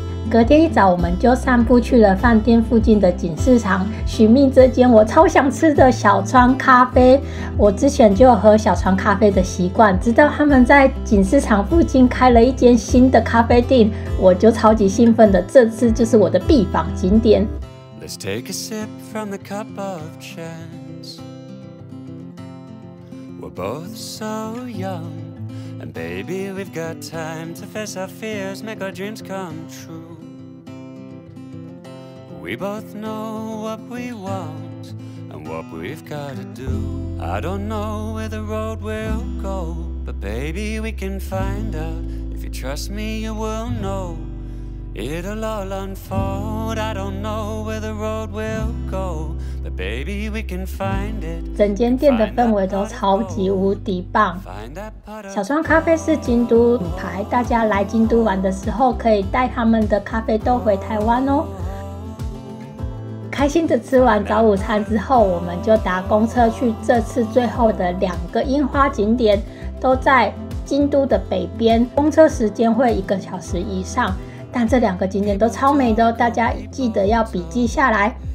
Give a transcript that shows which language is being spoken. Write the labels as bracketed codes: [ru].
[zh] 隔天一早我们就散步去了饭店附近的锦市场，寻觅这间我超想吃的小川咖啡。我之前就有喝小川咖啡的习惯，直到他们在锦市场附近开了一间新的咖啡店，我就超级兴奋的，这次就是我的必访景点。 [en] Let's take a sip from the cup of chance. We're both so young. And baby, we've got time to face our fears, make our dreams come true. We both know what we want and what we've got to do. I don't know where the road will go, but baby, we can find out. If you trust me, you will know. It'll all unfold. I don't know where the road will go. Baby, we can find it. [zh] 整间店的氛围都超级无敌棒。小川咖啡是京都品牌，大家来京都玩的时候可以带他们的咖啡豆回台湾哦。开心的吃完早午餐之后，我们就搭公车去这次最后的两个樱花景点，都在京都的北边，公车时间会一个小时以上，但这两个景点都超美的，大家记得要笔记下来。